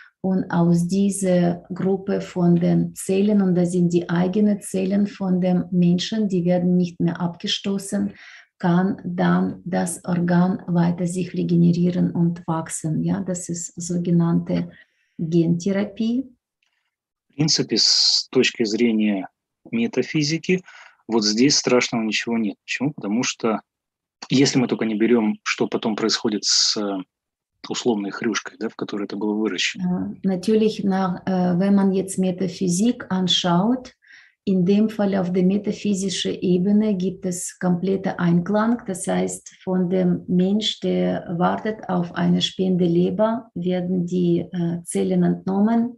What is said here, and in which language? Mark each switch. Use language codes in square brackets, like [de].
[de] Und aus dieser Gruppe von den Zellen, und das sind die eigenen Zellen von dem Menschen, die werden nicht mehr abgestoßen, kann dann das Organ weiter sich regenerieren und wachsen. Ja, das ist sogenannte Gentherapie. [ru] В принципе, с точки зрения метафизики, вот здесь страшного ничего нет. Почему? Потому что, если мы только не берем, что потом происходит с условной хрюшкой, да, в которой это было выращено. [de] Natürlich, wenn man jetzt Metaphysik anschaut, in dem Fall auf der metaphysischen Ebene gibt es komplette Einklang. Das heißt, von dem Mensch, der wartet auf eine Spendeleber, werden die Zellen entnommen.